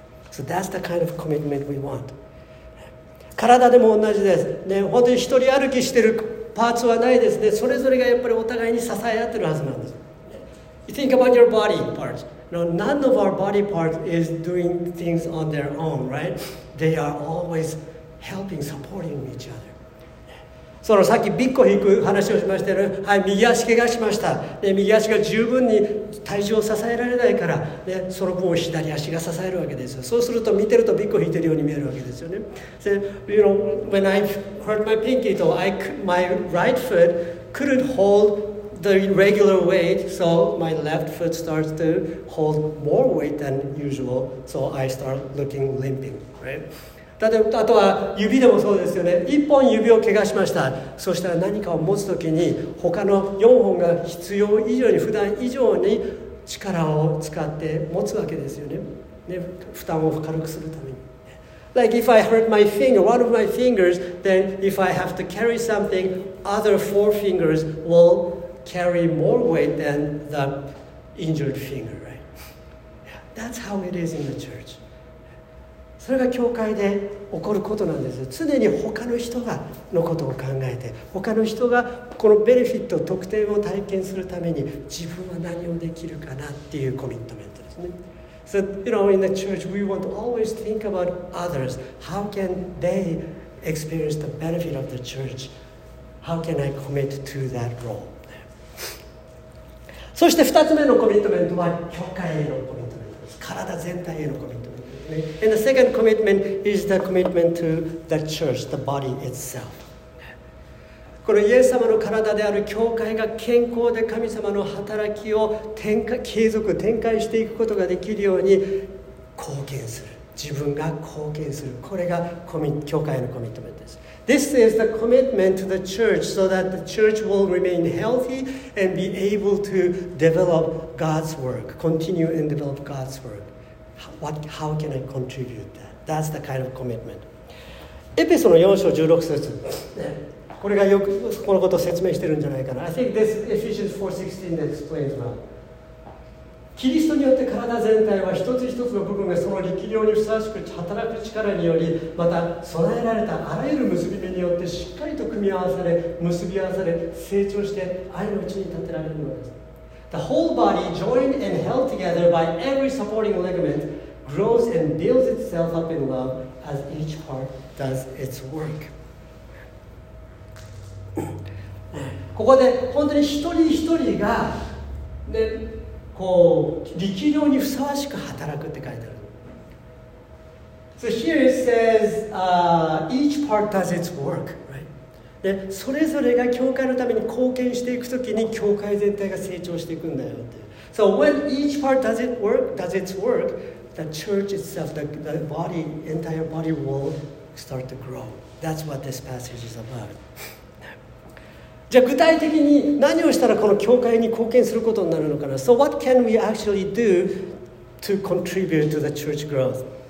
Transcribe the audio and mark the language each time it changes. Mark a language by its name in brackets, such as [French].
[English] So that's the kind of commitment we want. [Japanese] 体でも同じです。ね、本当に一人歩きしてるパーツはないですね。それぞれがやっぱりお互いに支え合ってるはずなんです。 [English] You think about your body parts. Now, none of our body parts is doing things on their own, right? They are always helping, supporting each other. [Japanese] そのさっきビッコ引く話をしましたよね。はい、右足怪我しました。で、右足が十分に体重を支えられないから、ね、その分を左足が支えるわけですよ。そうすると見てるとビッコ引いてるように見えるわけですよね。 [English] So, you know, when I hurt my pinky toe, my right foot couldn't hold the regular weight, so my left foot starts to hold more weight than usual, so I start looking limping, right? [Japanese] あとは指でもそうですよね。1本指を怪我しました。そしたら何かを持つときに他の4本が必要以上に、普段以上に力を使って持つわけですよね。ね、負担を軽くするために。 [English] Like if I hurt my finger, one of my fingers, then if I have to carry something, other four fingers will carry more weight than the injured finger, right? That's how it is in the church. [Japanese] それが教会で起こることなんです。常に他の人がのことを考えて、他の人がこのベネフィット、特典を体験するために自分は何をできるかなっていうコミットメントですね。 [English] So, you know, in the church, we want to always think about others. How can they experience the benefit of the church? How can I commit to that role? [Japanese] そして二つ目のコミットメントは、教会へのコミットメントです。体全体へのコミットメント。 [English] And the second commitment is the commitment to the church, the body itself. [Japanese] このイエス様の体である教会が健康で神様の働きを展開、継続展開していくことができるように貢献する。自分が貢献する、これが教会のコミットメントです。 [English] This is the commitment to the church so that the church will remain healthy and be able to develop God's work, continue and develop God's work. How can I contribute that? That's the kind of commitment. [Japanese] エペソの4章16節、これがよくこのことを説明してるんじゃないかな。 [English] I think this Ephesians 4:16 that explains well. [Japanese] キリストによって体全体は一つ一つの部分がその力量にふさわしく働く力により、また備えられたあらゆる結び目によってしっかりと組み合わされ、結び合わされ、成長して愛のうちに立てられるのです。 [English] The whole body joined and held together by every supporting ligament grows and builds itself up in love as each part does its work. [Japanese] ここで本当に一人一人がね、こう力量にふさわしく働くって書いてある。 [English] So here it says, each part does its work, right? [Japanese] で、それぞれが教会のために貢献していくときに教会全体が成長していくんだよって。 [English] So when each part does its work, the church itself, the body, entire body will start to grow. That's what this passage is about. [Japanese] じゃあ具体的に何をしたらこの教会に貢献することになるのかな。 [English] So what can we actually do to contribute to the church growth?